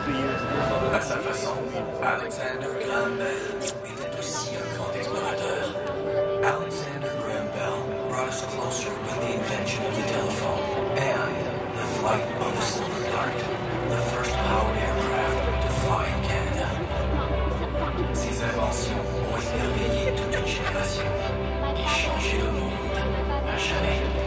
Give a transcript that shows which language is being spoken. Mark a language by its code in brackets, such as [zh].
[fr] Alexander Graham Bell était aussi un grand explorateur. [en] Alexander Graham Bell brought us closer with the invention of the telephone and the flight of the Silver Dart, the first powered aircraft to fly in Canada. [fr] Ces inventions ont émerveillé toute une génération et changé le monde à jamais.